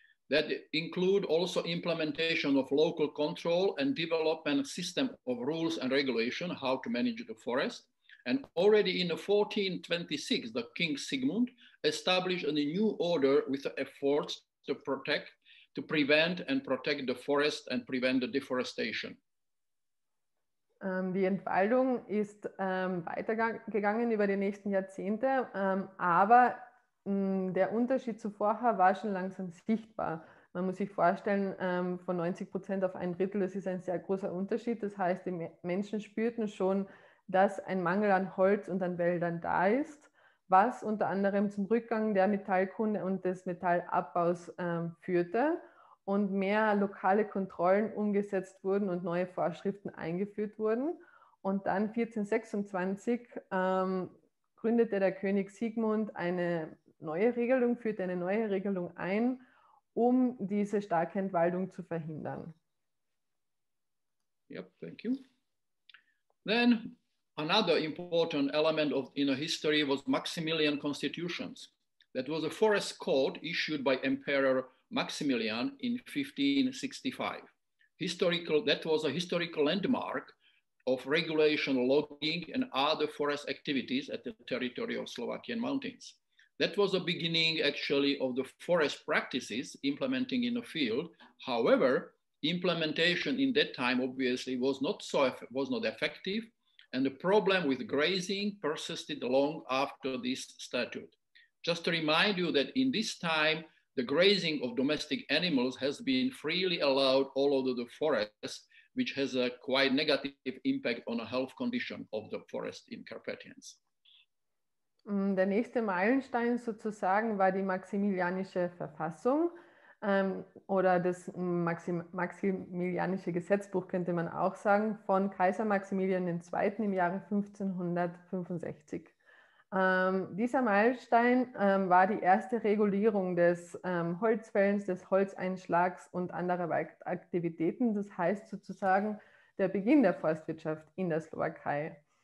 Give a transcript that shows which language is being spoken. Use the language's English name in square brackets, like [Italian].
[English] That include also implementation of local control and development system of rules and regulation, how to manage the forest. And already in 1426, the King Sigmund established a new order with efforts to protect, to prevent and protect the forest and prevent the deforestation. [German] Die Entwaldung ist weitergegangen über die nächsten Jahrzehnte, aber der Unterschied zu vorher war schon langsam sichtbar. Man muss sich vorstellen, von 90% auf ein Drittel, das ist ein sehr großer Unterschied. Das heißt, die Menschen spürten schon, dass ein Mangel an Holz und an Wäldern da ist, was unter anderem zum Rückgang der Metallkunde und des Metallabbaus führte und mehr lokale Kontrollen umgesetzt wurden und neue Vorschriften eingeführt wurden. Und dann 1426 gründete der König Sigmund eine neue Regelung, führte eine neue Regelung ein, um diese starke Entwaldung zu verhindern. [English] Yep, thank you. Then another important element of inner history was Maximilian constitutions. That was a forest code issued by Emperor Maximilian in 1565. That was a historical landmark of regulation logging and other forest activities at the territory of Slovakian mountains. That was the beginning actually of the forest practices implementing in the field. However, implementation in that time obviously was not effective, and the problem with grazing persisted long after this statute. Just to remind you that in this time, the grazing of domestic animals has been freely allowed all over the forest, which has a quite negative impact on the health condition of the forest in Carpathians. [German] Der nächste Meilenstein sozusagen war die Maximilianische Verfassung oder das Maximilianische Gesetzbuch, könnte man auch sagen, von Kaiser Maximilian II. Im Jahre 1565. Dieser Meilenstein war die erste Regulierung des Holzfällens, des Holzeinschlags und anderer Waldaktivitäten, das heißt sozusagen der Beginn der Forstwirtschaft in der Slowakei.